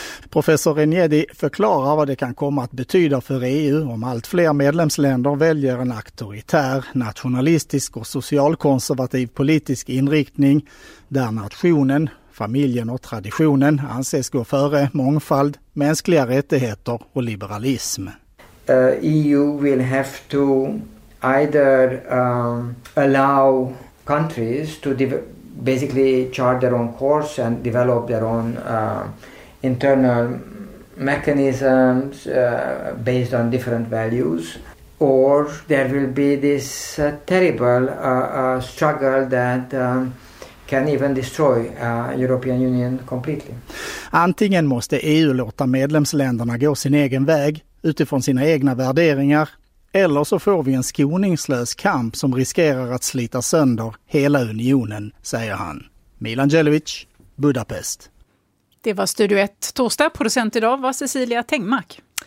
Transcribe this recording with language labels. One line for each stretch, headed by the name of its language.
Swedish: Professor Renjedi förklarar vad det kan komma att betyda för EU om allt fler medlemsländer väljer en auktoritär, nationalistisk och socialkonservativ politisk inriktning där nationen, familjen och traditionen anses gå före mångfald, mänskliga rättigheter och liberalism.
English: EU will have to either allow countries to basically chart their own course and develop their own internal mechanisms based on different values, or there will be this terrible struggle that can even destroy European Union completely.
Swedish: Antingen måste EU låta medlemsländerna gå sin egen väg utifrån sina egna värderingar, eller så får vi en skoningslös kamp som riskerar att slita sönder hela unionen, säger han. Milan Jelovic, Budapest. Det var Studio 1 torsdag. Producent idag var Cecilia Tengmark.